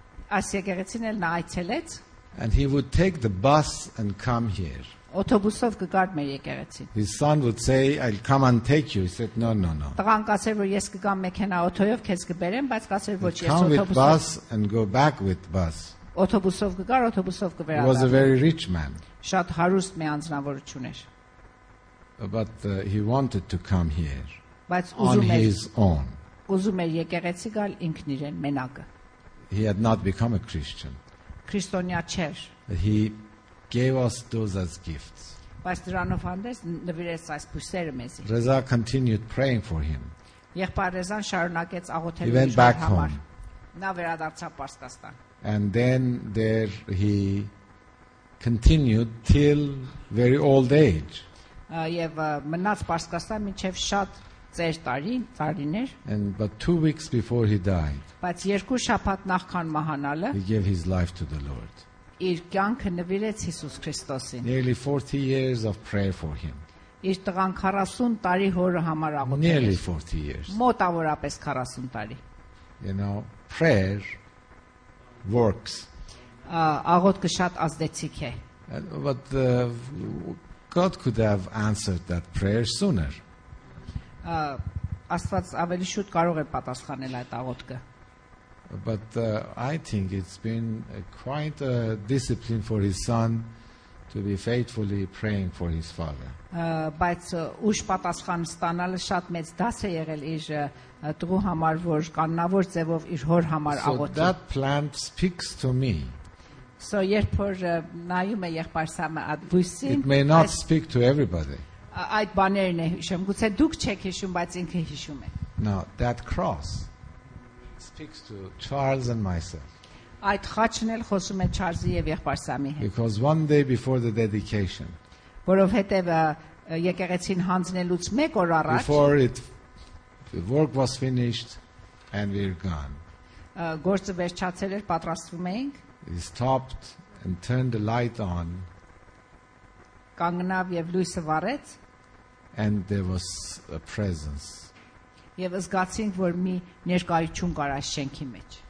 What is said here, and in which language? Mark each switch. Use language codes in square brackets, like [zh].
[hy] Աս եկեղեցին էլ նա այցելեց. [en] And he would take the bus and come here. [hy] Օտոբուսով գկար մեր եկեղեցին. [en] His son would say, I'll come and take you. He said, no. [hy] Տղան կասեր, որ ես կգամ մեքենա օթոյով քեզ կբերեմ, բայց կասեր, ոչ, ես օթոբուսով. [en] Come with bus and go back with bus. [hy] Օթոբուսով գկար, օթոբուսով կվերադար. [en] He was a very rich man. [hy] Շատ հարուստ մի անձնավորություն էր. [en] But he wanted to come here on his own. [hy] Ուզում էր եկեղեցի գալ ինքն իրեն մենակը. [en] He had not become a Christian. [hy] Քրիստոնյա չէր. [en] He gave us those as gifts. [hy] Բայց դրանով հանդես նվիրեց այս բույսերը մեզի. [en] Reza continued praying for him. [hy] Եղբայր Ռեզան շարունակեց աղոթել իր համար. Նա վերադարձավ Պարսկաստան. [en] And then there he continued till very old age. [hy] Եվ մնաց Պարսկաստան մինչև շատ ծեր տարի, ծարիներ. [en] And but 2 weeks before he died. [hy] Բայց երկու շաբաթ նախքան մահանալը. [en] He gave his life to the Lord. [hy] Իր կյանքը նվիրեց Հիսուս Քրիստոսին. [en] Nearly 40 years of prayer for him. [hy] Իր տղան 40 տարի հորը համար աղոթել. [en] Nearly 40 years. [hy] Մոտավորապես 40 տարի. [en] You know, prayer works. [hy] Աղոթքը շատ ազդեցիկ է. [en] But God could have answered that prayer sooner. [hy] Աստված ավելի շուտ կարող է պատասխանել այդ աղոթքը. [en] But I think it's been quite a discipline for his son to be faithfully praying for his father. [hy] Բայց ուշ պատասխան ստանալը շատ մեծ դաս է եղել իր տղու համար, որ կաննավոր ձևով իր հոր համար աղոթի. [en] So that plant speaks to me. [hy] So երբ որ նայում է եղբայր Սամը այդ բույսին, [en] it may not speak to everybody. [hy] Այդ բաներն է հիշում, գուցե դուք չեք հիշում, բայց ինքը հիշում է. [en] Now that cross speaks to Charles and myself. [hy] Այդ խաչն էլ խոսում է Չարլզի եւ եղբայր Սամի հետ. [en] Because one day before the dedication. [hy] Որովհետեւ եկեղեցին հանձնելուց 1 օր առաջ. [en] Before it, the work was finished and we're gone. [hy] Գործը վերջացել էր, պատրաստվում էինք. [en] He stopped and turned the light on. [hy] Կանգնավ եւ լույսը վառեց. [en] And there was a presence. [hy] Եվ զգացինք, որ մի ներկայություն կար այս շենքի մեջ.